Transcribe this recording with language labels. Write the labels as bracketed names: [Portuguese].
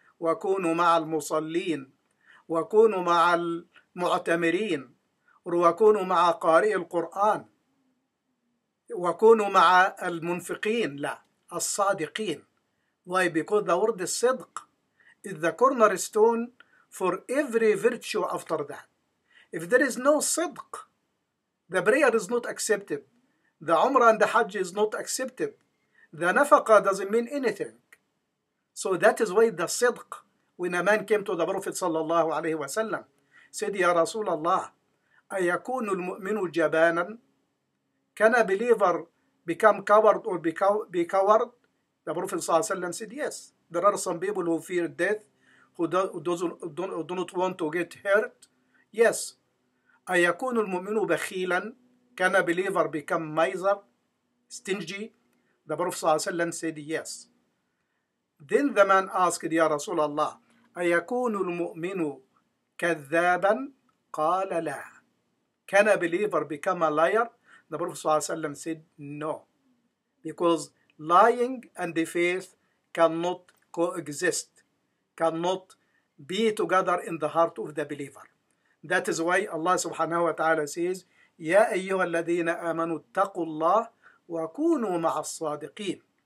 [Arabic] وكونوا مع المصلين، وكونوا مع المعتمرين، وكونوا مع قارئ القرآن، وكونوا مع المنفقين، لا الصادقين. [English] Why? Because the word is صدق is the cornerstone for every virtue after that. If there is no صدق, the prayer is not accepted. The umrah and the hajj is not accepted. The nafaqa doesn't mean anything. So that is why the صدق. When a man came to the Prophet صلى الله عليه وسلم, said, [Arabic] يا رسول الله, أيكون المؤمن جبانا؟ [English] Can a believer become coward or be coward? The Prophet صلى الله عليه وسلم said, yes. There are some people who fear death, who do not want to get hurt. Yes. [Arabic] أيكون المؤمن بخيلا؟ [English] Can a believer become miser, stingy? The Prophet صلى الله عليه وسلم said, yes. Then the man asked, [Arabic] يا رسول الله, أيكون المؤمن كذابا؟ قال لا. [English] Can a believer become a liar? The Prophet صلى الله عليه وسلم said, no. Because lying and the faith cannot coexist, cannot be together in the heart of the believer. That is why Allah subhanahu wa ta'ala says, [Arabic] يا أيها الذين آمنوا اتقوا الله وكونوا مع الصادقين.